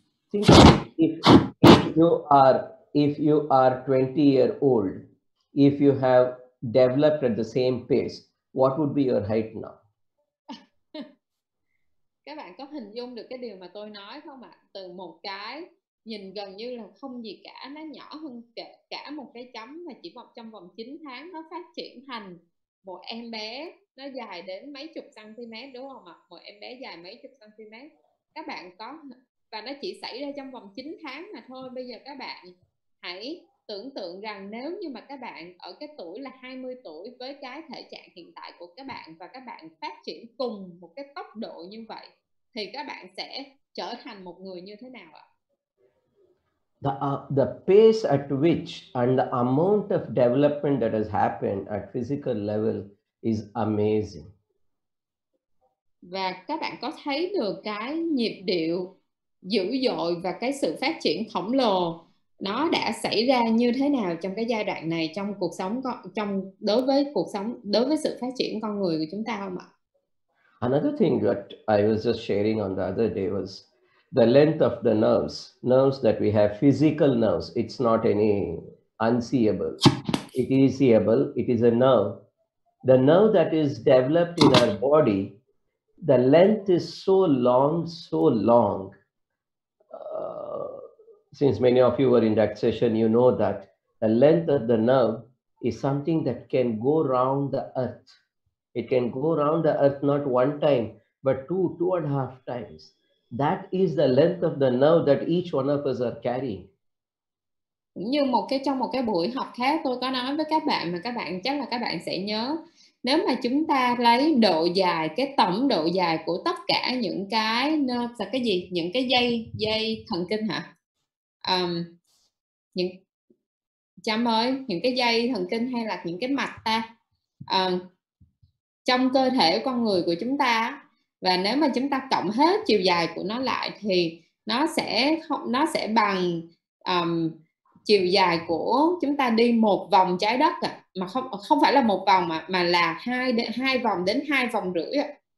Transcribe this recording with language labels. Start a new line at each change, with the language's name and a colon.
English: Think if you are 20-year-old, if you have developed at the same pace, what would be your height now?
Vietnamese: Các bạn có hình dung được cái điều mà tôi nói không ạ? Từ một cái nhìn gần như là không gì cả, nó nhỏ hơn cả một cái chấm, mà chỉ một trong vòng 9 tháng nó phát triển thành một em bé, nó dài đến mấy chục cm đúng không ạ? Một em bé dài mấy chục cm. Các bạn có, và nó chỉ xảy ra trong vòng 9 tháng mà thôi. Bây giờ các bạn hãy tưởng tượng rằng nếu như mà các bạn ở cái tuổi là 20 tuổi với cái thể trạng hiện tại của các bạn và các bạn phát triển cùng một cái tốc độ như vậy thì các bạn sẽ trở thành một người như thế nào ạ?
English: The pace at which and the amount of development that has happened at physical level is amazing.
Vietnamese: Và các bạn có thấy được cái nhịp điệu dữ dội và cái sự phát triển khổng lồ nó đã xảy ra như thế nào trong cái giai đoạn này trong cuộc sống, trong đối với cuộc sống, đối với sự phát triển con người của chúng ta không ạ?
English: Another thing that I was just sharing on the other day was the length of the nerves that we have, physical nerves. It's not any unseeable, it is seeable, it is a nerve. The nerve that is developed in our body, the length is so long. Since many of you were in that session, you know that the length of the nerve is something that can go around the earth. It can go around the earth not one time, but two and a half times. That is the length of the nerve that each one of us are carrying.
Vietnamese: Như một cái trong một cái buổi học khác tôi có nói với các bạn mà các bạn chắc là các bạn sẽ nhớ. Nếu mà chúng ta lấy độ dài, cái tổng độ dài của tất cả những cái nerve là cái gì? Những cái dây thần kinh hả? Những cái dây thần kinh hay là những cái mạch ta trong cơ thể con người của chúng ta, và nếu mà chúng ta cộng hết chiều dài của nó lại thì nó sẽ bằng chiều dài của chúng ta đi một vòng trái đất à, mà không không phải là một vòng mà là hai vòng đến hai vòng rưỡi à.